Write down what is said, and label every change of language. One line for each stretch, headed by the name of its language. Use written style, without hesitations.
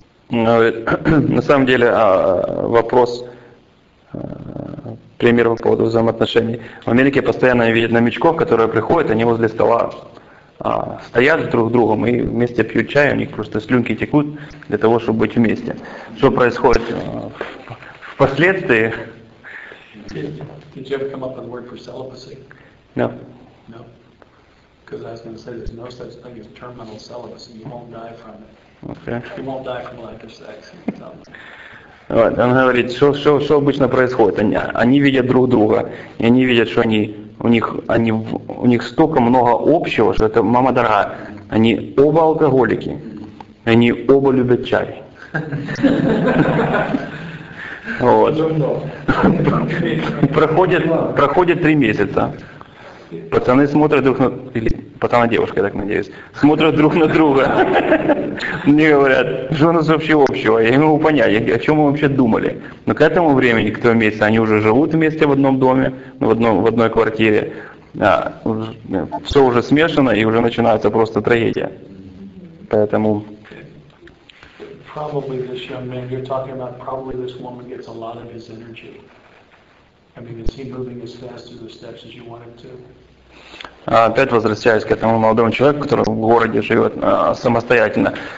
Russian: На самом деле, вопрос, пример по поводу взаимоотношений. В Америке постоянно видят новичков, которые приходят, они возле стола стоят друг с другом и вместе пьют чай, у них просто слюнки текут для того, чтобы быть вместе. Что происходит впоследствии?
English: Did you ever come up with a word for celibacy? No. No. Because I was going to say, there's no such thing as terminal celibacy. You won't die from it. Okay. You won't die from lack of sex.
Russian: Вот, он говорит, что обычно происходит? Они видят друг друга, и они видят, что у них столько много общего, что это, мама дорогая, они оба алкоголики, они оба любят чай. Вот. Проходит 3 месяца. Пацаны смотрят друг на... Или пацаны, девушка, я так надеюсь. Смотрят друг на друга. Мне говорят, что у нас вообще общего? Я не могу понять, о чем мы вообще думали. Но к этому времени, к тому месяцу, они уже живут вместе в одном доме, в одной квартире. Все уже смешано, и уже начинается просто трагедия. Поэтому...
English: Probably this young man you're talking about, probably this woman gets a lot of his energy. I mean, is he moving as fast through the steps as you want him to?
Russian: Опять возвращаясь к этому молодому человеку, который в городе живет самостоятельно.